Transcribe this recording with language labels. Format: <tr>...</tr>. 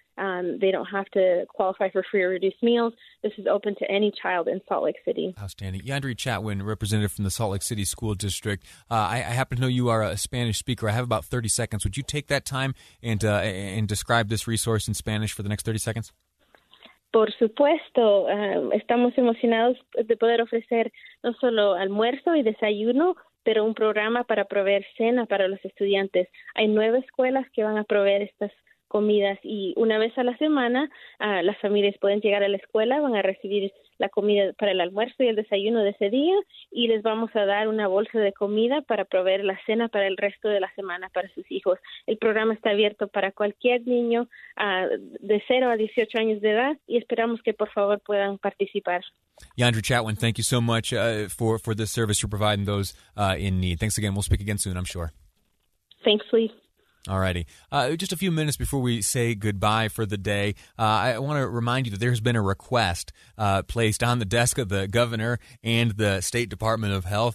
<en>They don't have to qualify for free or reduced meals. This is open to any child in Salt Lake City. Outstanding. Yandri Chatwin, representative from the Salt Lake City School District. I happen to know you are a Spanish speaker. I have about 30 seconds. Would you take that time and describe this resource in Spanish for the next 30 seconds?</en> <es>Por supuesto. Estamos emocionados de poder ofrecer no solo almuerzo y desayuno, pero un programa para proveer cena para los estudiantes. Hay 9 escuelas que van a proveer estas comidas y una vez a la semana las familias pueden llegar a la escuela, van a recibir la comida para el almuerzo y el desayuno de ese día y les vamos a dar una bolsa de comida para proveer la cena para el resto de la semana para sus hijos. El programa está abierto para cualquier niño de 0 a 18 años de edad y esperamos que por favor puedan participar.</es> <en>Yandri Chatwin, thank you so much for this service you're providing those in need. Thanks again. We'll speak again soon, I'm sure. Thanks, Lee. All righty. Just a few minutes before we say goodbye for the day, I want to remind you that there has been a request placed on the desk of the governor and the State Department of Health.</en>